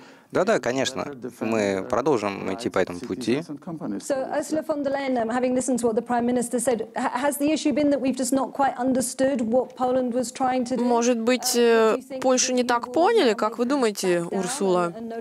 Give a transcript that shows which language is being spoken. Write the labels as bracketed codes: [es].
[ru] Да, конечно, мы продолжим идти по этому пути. [en] So, Ursula von der Leyen, having listened to what the Prime Minister said, has the issue been that we've just not quite understood what Poland was trying to do? [ru] Может быть, Польшу не так поняли, как вы думаете, Урсула?